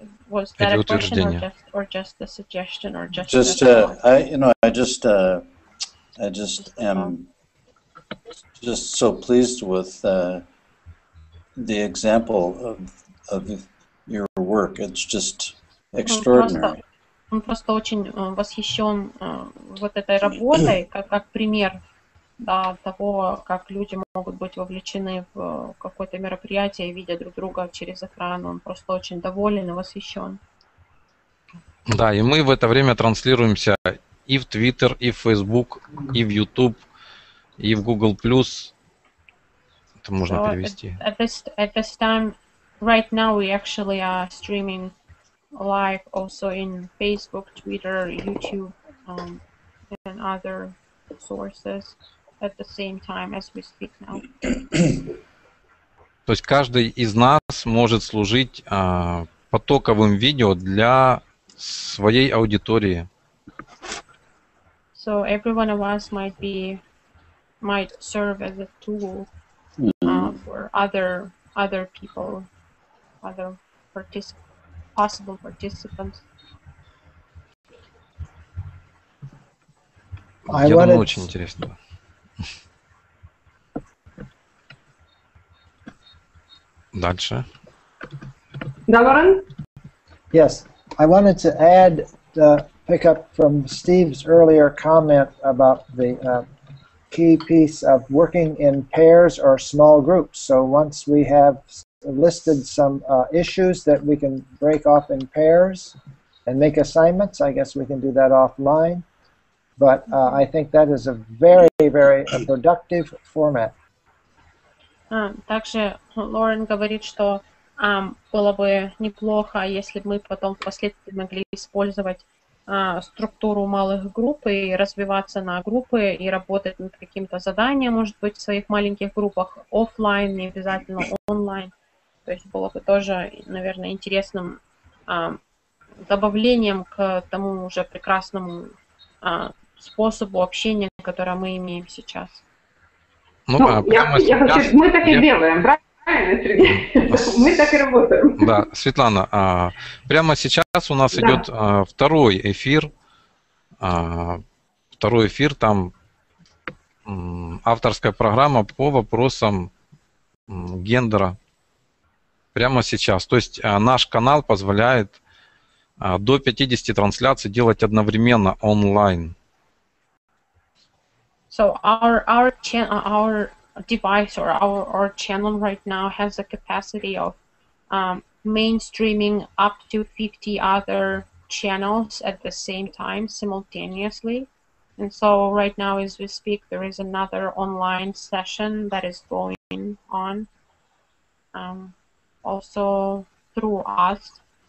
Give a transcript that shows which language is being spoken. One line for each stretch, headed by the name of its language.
English: Was that a question or just a suggestion or just? Just I just am just so pleased with the example of your work. It's just extraordinary.
Russian: Он просто очень восхищен вот этой работой, как пример, да, того, как люди могут быть вовлечены в какое-то мероприятие, видя друг друга через экран. Он просто очень доволен и восхищен. Да, и мы в это время транслируемся и в Twitter, и в Facebook, и в YouTube, и в Google+. Это можно перевести.
English: At this time, right now, we actually are streaming live also in Facebook, Twitter, YouTube, and other sources at the same time as we speak now.
Russian: То есть каждый из нас может служить потоковым видео для своей аудитории.
English: So every one of us might serve as a tool for other people, other participants. possible participants.
Russian: Я думаю, очень интересно. Дальше. Да, Варен?
English: Yes, I wanted to add, pick up from Steve's earlier comment about the key piece of working in pairs or small groups. So once we have listed some issues that we can break off in pairs and make assignments, I guess we can do that offline. But I think that is a very, very productive format.
Russian: Также Лорен говорит, что было бы неплохо, если бы мы потом впоследствии могли использовать структуру малых групп и развиваться на группы и работать над каким-то заданием, может быть, в своих маленьких группах офлайн, не обязательно онлайн. То есть было бы тоже, наверное, интересным добавлением к тому уже прекрасному способу общения, который мы имеем сейчас. Ну, ну, мы так и делаем, правильно, Сергей? Мы так и работаем. Да, Светлана, прямо сейчас у нас идет второй эфир. Второй эфир, там авторская программа по вопросам гендера. Прямо сейчас. То есть наш канал позволяет до 50 трансляций делать одновременно онлайн.
English: So our device or our channel right now has a capacity of mainstreaming up to 50 other channels at the same time simultaneously. And so right now as we speak, there is another online session that is going on also through us.